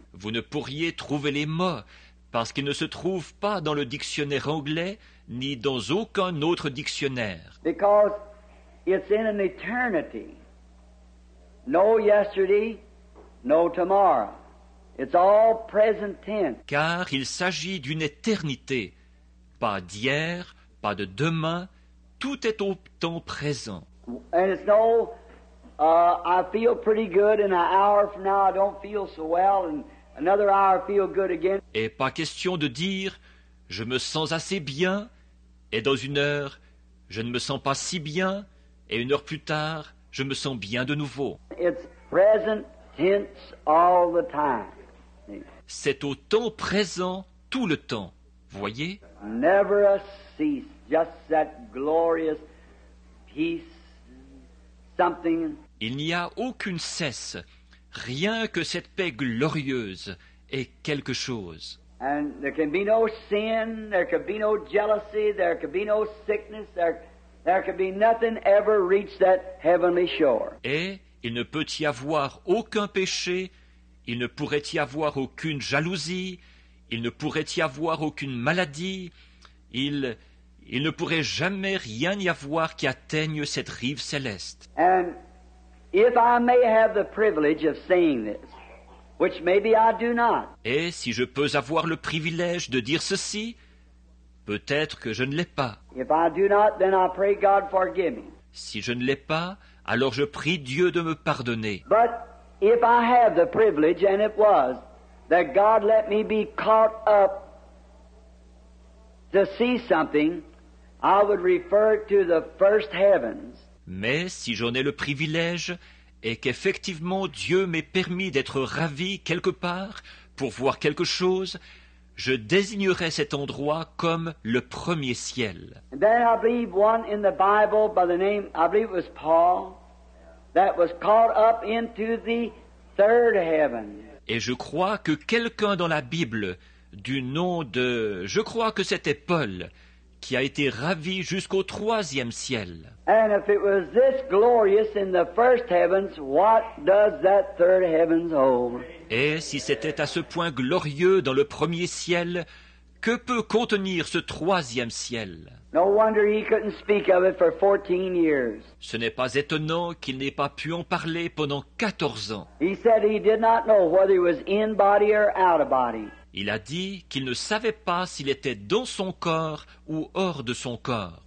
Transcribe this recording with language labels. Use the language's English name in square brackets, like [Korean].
[French] Vous ne pourriez trouver les mots parce qu'ils ne se trouvent pas dans le dictionnaire anglais ni dans aucun autre dictionnaire. [English] Because it's in an eternity. No yesterday. No tomorrow. It's all present tense. [French] Car il s'agit d'une éternité, pas d'hier, pas de demain, tout est au temps présent. [English] And it's no, I feel pretty good and an hour from now I don't feel so well and another hour I feel good again. [French] Et pas question de dire, je me sens assez bien, et dans une heure, je ne me sens pas si bien, et une heure plus tard, je me sens bien de nouveau. [English] It's present tense all the time. [French] C'est au temps présent tout le temps, voyez? [English] Never a cease, just that glorious peace, something. [French] Il n'y a aucune cesse, rien que cette paix glorieuse est quelque chose. [English] And there can be no sin, there can be no jealousy, there can be no sickness, there can be nothing ever reach that heavenly shore. [French] Et il ne peut y avoir aucun péché, il ne pourrait y avoir aucune jalousie, il ne pourrait y avoir aucune maladie, il ne pourrait jamais rien y avoir qui atteigne cette rive céleste. [English] And if I may have the privilege of saying this, which maybe I do not. [French] Et si je peux avoir le privilège de dire ceci, peut-être que je ne l'ai pas. [English] If I do not, then I pray God forgive me. [French] Si je ne l'ai pas, Alors je prie Dieu de me pardonner. [English] But if I have the privilege, and it was, that God let me be caught up to see something, I would refer to the first heavens. [French] Mais si j'en ai le privilège, et qu'effectivement Dieu m'ait permis d'être ravi quelque part pour voir quelque chose, je désignerai cet endroit comme le premier ciel. [English] And then I believe one in the Bible by the name, I believe it was Paul, that was caught up into the third heaven. [French] Et je crois que quelqu'un dans la Bible, du nom de, je crois que c'était Paul, qui a été ravi jusqu'au troisième ciel. [English] And if it was this glorious in the first heavens, what does that third heavens hold? [French] Et si c'était à ce point glorieux dans le premier ciel, que peut contenir ce troisième ciel? [English] No wonder he couldn't speak of it for 14 years. [French] Ce n'est pas étonnant qu'il n'ait pas pu en parler pendant 14 ans. [English] He said he did not know whether he was in body or out of body. [French] Il a dit qu'il ne savait pas s'il était dans son corps ou hors de son corps.